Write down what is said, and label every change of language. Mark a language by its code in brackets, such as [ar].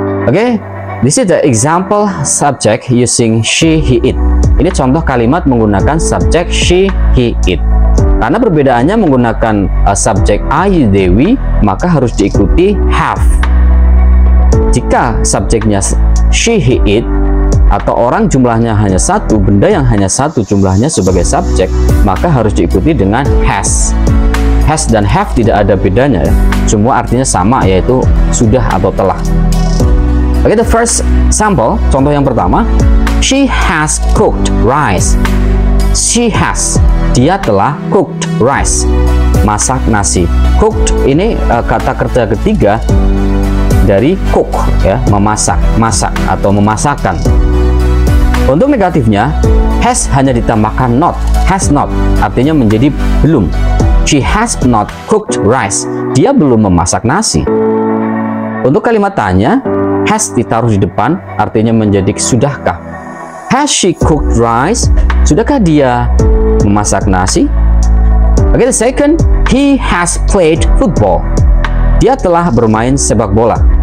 [en] Okay, this is the example subject using she, he, it. [id] Ini contoh kalimat menggunakan subject she, he, it. Karena perbedaannya menggunakan subject I, Dewi, maka harus diikuti have. Jika subjeknya she, he, it, atau orang jumlahnya hanya satu, benda yang hanya satu jumlahnya sebagai subjek, maka harus diikuti dengan has. Has dan have tidak ada bedanya, ya. Semua artinya sama, yaitu sudah atau telah. [en] Okay, the first sample, [id] contoh yang pertama, [en] she has cooked rice. She has, [id] dia telah [en] cooked rice, [id] masak nasi. Cooked ini kata kerja ketiga dari cook, ya, memasak, masak atau memasakkan. Untuk negatifnya, has hanya ditambahkan not, has not, artinya menjadi belum. [en] She has not cooked rice, [id] dia belum memasak nasi. Untuk kalimat tanya, has ditaruh di depan, artinya menjadi sudahkah. [en] Has she cooked rice? [id] Sudahkah dia memasak nasi? [en] Okay, the second, he has played football. [id] Dia telah bermain sepak bola.